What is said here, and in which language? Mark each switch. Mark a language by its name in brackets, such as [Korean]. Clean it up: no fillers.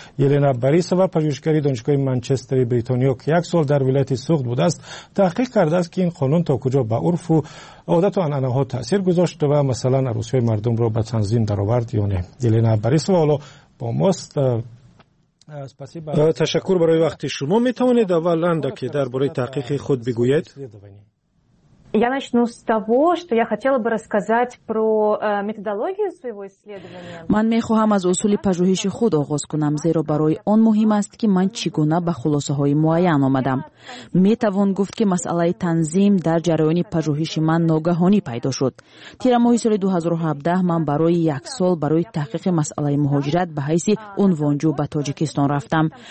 [Tajik] یلینا بریسوا پژوهشگر دانشگاه منچستر بریتانیا که یک سال در ولایت سوخت بوده است، تحقیق کرده است که این قانون تا کجا به عرف و عادت و انانه ها تأثیر گذاشت و مثلا عروسی های مردم را به تنظیم درآورد یا نه. یلینا بریسوا حالا با ماست. تشکر برای وقت شما. می توانید اول اندکی در باره تحقیق خود بگوید؟ [Russian] Я начну с того, что я хотела бы рассказать про методологию своего исследования. [Tajik] Ман мехоҳам аз усули пажуҳиши худ оғоз кунам, зеро барои он муҳим аст ки ман чӣ гуна ба хулосаҳои муайян омадам. Метавон гуфт ки масъалаи танзим дар ҷараёни пажуҳиши ман ногаҳонӣ пайдо шуд. Тира моҳи соли 2017 ман барои як сол барои таҳқиқи масъалаи муҳоҷират ба ҳайси унвонҷӯ ба Тоҷикистон рафтам.